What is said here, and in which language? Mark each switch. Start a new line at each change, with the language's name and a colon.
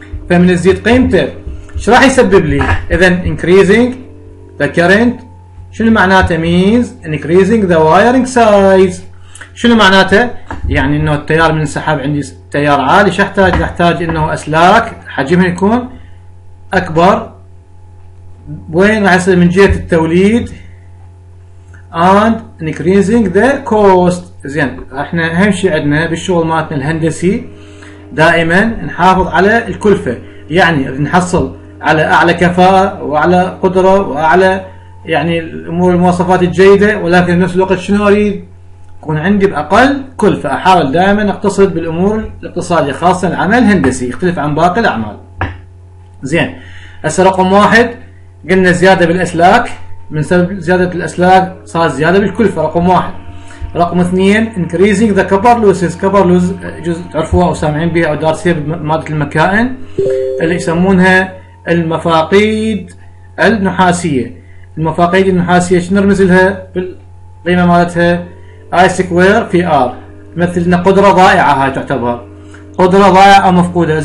Arabic: فمن تزيد قيمته شو راح يسبب لي؟ اذا
English: increasing the current،
Arabic: شنو معناته؟
English: means increasing the wiring size.
Arabic: شنو معناته؟ يعني انه التيار من انسحاب عندي تيار عالي، شو احتاج؟ احتاج انه اسلاك حجمها يكون اكبر. وين راح يصير؟ من جهه التوليد.
English: and increasing the cost.
Arabic: زين احنا اهم شيء عندنا بالشغل مالتنا الهندسي دائما نحافظ على الكلفه، يعني نحصل على اعلى كفاءه وعلى قدره واعلى يعني الامور المواصفات الجيده، ولكن بنفس الوقت شنو اريد؟ يكون عندي باقل كلفه. احاول دائما اقتصد بالامور الاقتصاديه، خاصه العمل الهندسي يختلف عن باقي الاعمال. زين هسه رقم واحد قلنا زياده بالاسلاك، من سبب زياده الاسلاك صار زياده بالكلفه، رقم واحد. رقم اثنين
English: increasing the copper losses.
Arabic: copper loss جزء تعرفوها او سامعين بها او دارسيها بماده المكائن اللي يسمونها المفاقيد النحاسيه. المفاقيد النحاسيه شنو نرمز لها بالقيمه مالتها؟ I square في R. مثل ان قدرة ضائعة، هاي تعتبر قدرة ضائعة او مفقودة.